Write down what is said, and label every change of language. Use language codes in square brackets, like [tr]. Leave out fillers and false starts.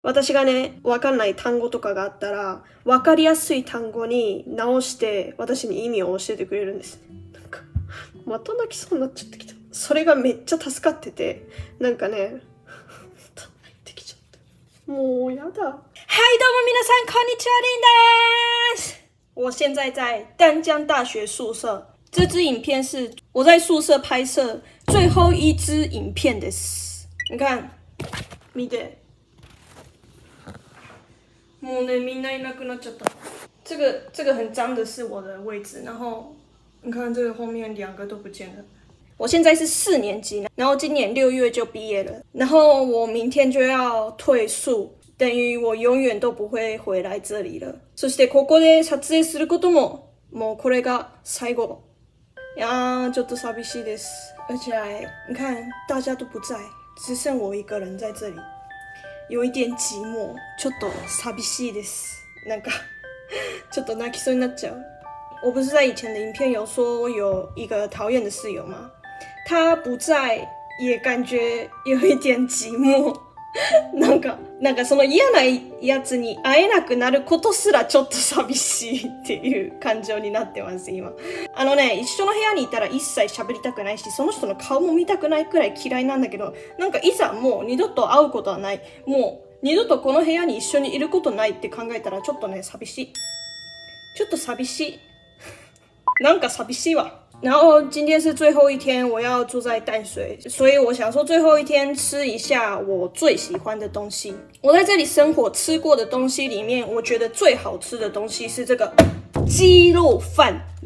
[ja] 私がね、わかんない単語とかがあったら、わかりやすい単語に直して、私に意味を教えてくれるんです。なんか、また泣きそうになっちゃってきた。それがめっちゃ助かってて、なんかね、もうやだ。はい、どうも皆さん、こんにちは、リンです。 [zh] 我现在在丹江大学宿舍。这支影片是我在宿舍拍摄最后一支影片 [ja] です。 [zh] 你看， [ja] 見て。もうね、みんないなくなっちゃった。 [zh] 这个很脏的是我的位置，然后你看这个后面两个都不见了。我现在是4年级，然后今年6月就毕业了，然后我明天就要退宿，等于我永远都不会回来这里了。 [ja] そしてここで撮影することも、もうこれが最後。いやー、ちょっと寂しいです。 [zh] 而且你看大家都不在，只剩我一个人在这里。有一点寂寞， [ja] ちょっと寂しいです。なんか ちょっと泣きそうになっちゃう。 [zh] 我不是在以前的影片有说我有一个讨厌的室友吗？他不在也感觉有一点寂寞。 [ja] なんかその嫌なやつに会えなくなることすらちょっと寂しいっていう感情になってます、今。一緒の部屋にいたら一切喋りたくないし、その人の顔も見たくないくらい嫌いなんだけど、なんかいざもう二度と会うことはない。もう二度とこの部屋に一緒にいることないって考えたらちょっとね、寂しい。ちょっと寂しい。なんか寂しいわ。 [zh] 然后今天是最后一天，我要住在淡水，所以我想说最后一天吃一下我最喜欢的东西。我在这里生活吃过的东西里面，我觉得最好吃的东西是这个鸡肉饭。